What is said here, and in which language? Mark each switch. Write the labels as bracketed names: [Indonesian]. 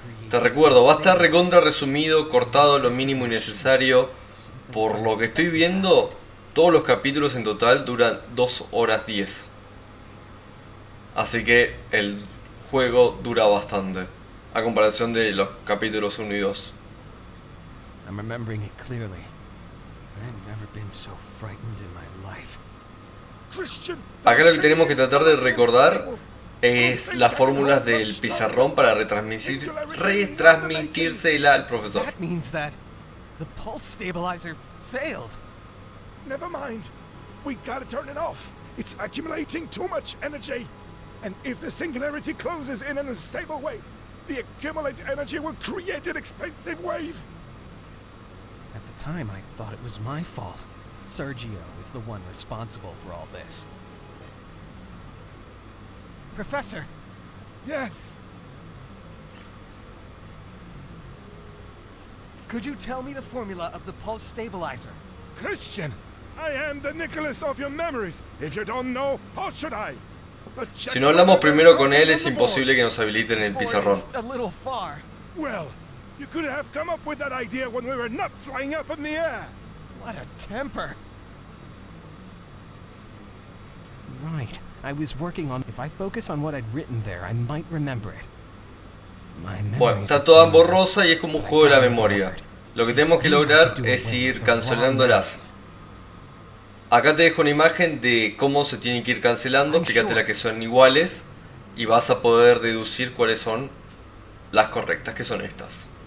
[Spanish] Te recuerdo, va a estar recontra resumido, cortado lo mínimo y necesario. Por lo que estoy viendo, todos los capítulos en total duran 2 horas 10. Así que el juego dura bastante, a comparación de los capítulos 1 y 2. [English] I'm remembering it clearly. I've never been so frightened in my life. [Spanish] Acá lo que tenemos que tratar de recordar es las fórmulas del pizarrón para retransmitírsela al profesor. [English] That means that the pulse stabilizer failed. Never mind. We gotta turn it off. It's accumulating too much energy. And if the singularity closes in an unstable way, the accumulated energy will create an expansive wave. At the time, I thought it was my fault. Sergio is the one responsible for all this. Professor. Yes. Could you tell me the formula of the pulse stabilizer? Christian, I am the Nicholas of your memories. If you don't know, how should I? [Spanish] Si no hablamos primero con él, es imposible que nos habiliten el pizarrón. [English] Well, you could have come up with that idea when we were not flying up in the air. What a temper. Right. I was working on. If I focus on what I'd written there, I might remember it. [Spanish] Bueno, está toda borrosa y es como un juego de la memoria. Lo que tenemos que lograr es ir cancelándolas. Acá te dejo una imagen de cómo se tienen que ir cancelando. Fíjate las que son iguales y vas a poder deducir cuáles son las correctas, que son estas.